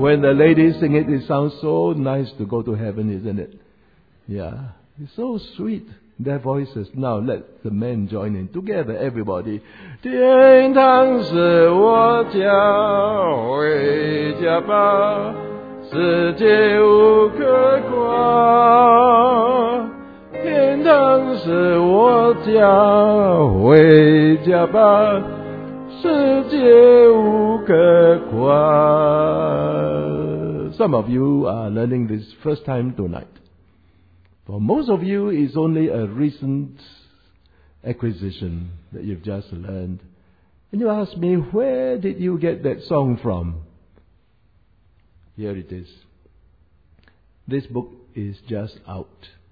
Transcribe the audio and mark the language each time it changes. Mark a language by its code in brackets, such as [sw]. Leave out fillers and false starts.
[en] When the ladies sing it, it sounds so nice to go to heaven, isn't it? Yeah, it's so sweet. Their voices. Now let the men join in together, everybody. [zh] 天堂是我家，回家吧，世界无可挂。天堂是我家，回家吧，世界无可挂。 [en] Some of you are learning this first time tonight. For most of you, it's only a recent acquisition that you've just learned. And you ask me, where did you get that song from? Here it is. This book is just out.